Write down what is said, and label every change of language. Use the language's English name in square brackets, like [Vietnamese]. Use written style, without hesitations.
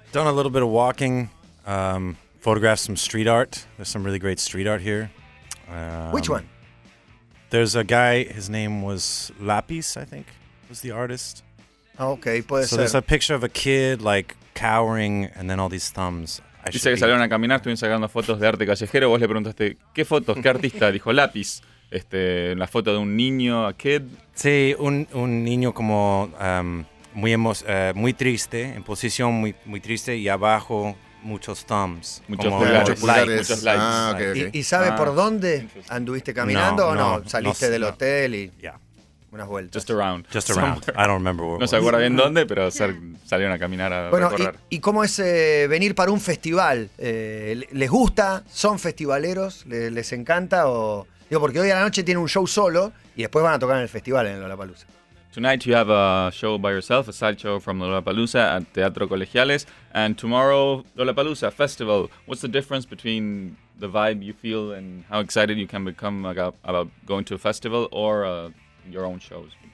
[English] Done a little bit of walking. Photographed some street art. There's some really great street art here. Which one? There's a guy, his name was Lapis, I think, was the artist. [Spanish] Okay, puede so ser. [English] So there's a picture of a kid, like, cowering, and then all these thumbs. [Spanish] Dice que salieron a caminar, estuvieron sacando fotos de arte callejero. Vos le preguntaste, ¿qué fotos? ¿Qué artista? Dijo Lapis. La foto de un niño, [English] a kid. [Spanish] Sí, un niño como... muy triste, en posición muy, muy triste, y abajo muchos thumbs. Muchos pulgares. Ah, okay. ¿Y sabe por dónde anduviste caminando no? ¿Saliste del hotel y unas vueltas? [English] Just around. Somewhere. I don't remember where [Spanish] No se acuerda bien dónde, pero salieron a caminar a bueno, recorrer. ¿Y cómo es venir para un festival? ¿Les gusta? ¿Son festivaleros? ¿Les encanta? Digo, porque hoy a la noche tienen un show solo y después van a tocar en el festival en Lollapalooza. [English] Tonight you have a show by yourself, a sideshow from Lollapalooza at Teatro Colegiales, and tomorrow Lollapalooza Festival. What's the difference between the vibe you feel and how excited you can become about going to a festival or your own shows?